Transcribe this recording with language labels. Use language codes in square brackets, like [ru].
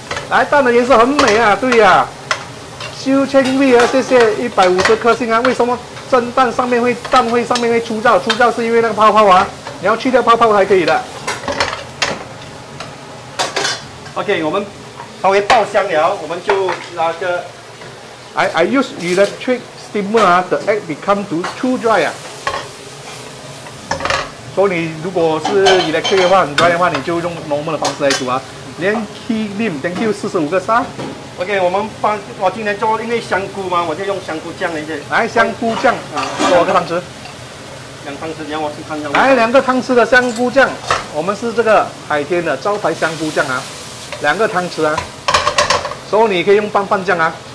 [zh] 来，蛋的颜色很美啊，对啊。修千位啊，谢谢150颗星啊。为什么蒸蛋上面会蛋会上面会出罩？出罩是因为那个泡泡啊，你要去掉泡泡才可以的。 OK， 我们稍微爆香了，我们就拿个。 [en] I use electric steamer 啊 ，the egg become too dry 啊。 [zh] 所以你如果是 electric 的话，很 dry 的话，你就用 normal 的方式来煮啊。连 key lim， [en] thank you [zh] 45个沙。 OK， 我们放我今天做因为香菇嘛，我就用香菇酱一些。来，香菇酱啊，多少个汤匙？两汤匙，你要我先看一下。来，两个汤匙的香菇酱，我们是这个海天的招牌香菇酱啊，两个汤匙啊。所以你可以用拌拌酱啊。